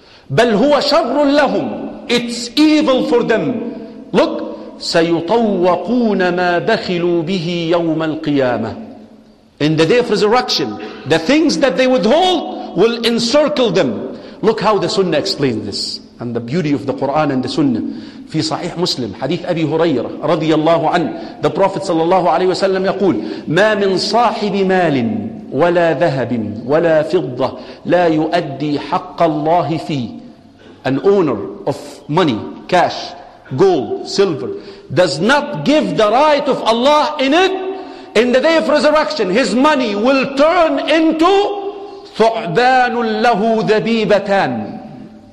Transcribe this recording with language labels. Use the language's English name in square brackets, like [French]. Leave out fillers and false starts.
[Arabic] بل هو شر لهم. [English] It's evil for them. [Arabic] Look, سيطوقون ما بخلوا به يوم القيامة. [English] In the day of resurrection, the things that they withhold will encircle them. Look how the Sunnah explains this and the beauty of the Quran and the Sunnah. [Arabic] في صحيح مسلم حديث أبي هريرة رضي الله عنه, [English] the Prophet [Arabic] صلى الله عليه وسلم يقول ما من صاحب مال ولا ذهب ولا فضة لا يؤدي حق الله فيه. [English] An owner of money, cash, gold, silver, does not give the right of Allah in it. In the day of resurrection, his money will turn into [Arabic] ثعبان له ذبيبتان.